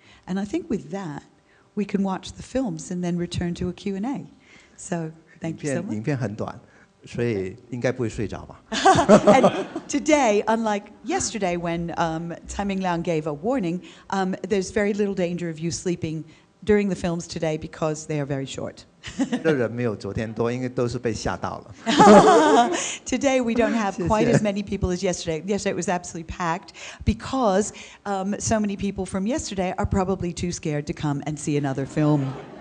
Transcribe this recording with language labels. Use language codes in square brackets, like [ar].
[en] And I think with that, we can watch the films and then return to a Q&A. So thank you so much. [zh] 影片很短。所以应该不会睡着吧。 [en] And today, unlike yesterday when Tsai Ming-Lang gave a warning, there's very little danger of you sleeping during the films today because they are very short. [zh] 人没有昨天多，因为都是被吓到了。 [en] Today we don't have quite as many people as yesterday. Yesterday it was absolutely packed because so many people from yesterday are probably too scared to come and see another film.